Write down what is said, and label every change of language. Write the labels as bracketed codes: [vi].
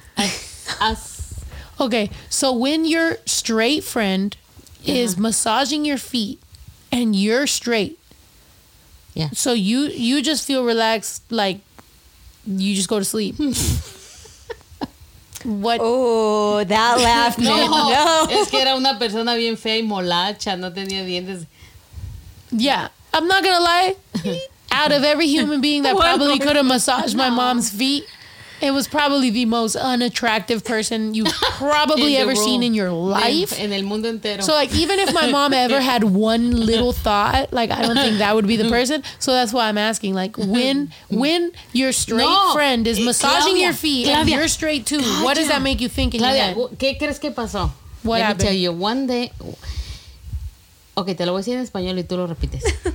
[en] Ask. Okay. So when your straight friend is massaging your feet and you're straight. Yeah. So you just feel relaxed, like you just go to sleep. What? Oh, that laugh. No. No. [es] Es que era una persona bien fea y molacha, no tenía dientes. [en] Yeah, I'm not gonna lie. Out of every human being that probably could have massaged my mom's feet, it was probably the most unattractive person you've probably ever seen in your life. [es] En el mundo entero. [en] So, like, even if my mom ever had one little thought, like, I don't think that would be the person. So that's why I'm asking, like, when your straight friend is massaging Claudia, your feet, Claudia, and you're straight too, Claudia, what does that make you think in Claudia, your head? [es] ¿Qué crees que pasó? [en] What happened? Let me tell you, one day... [es] Okay, te lo voy a decir en español y tú lo repites.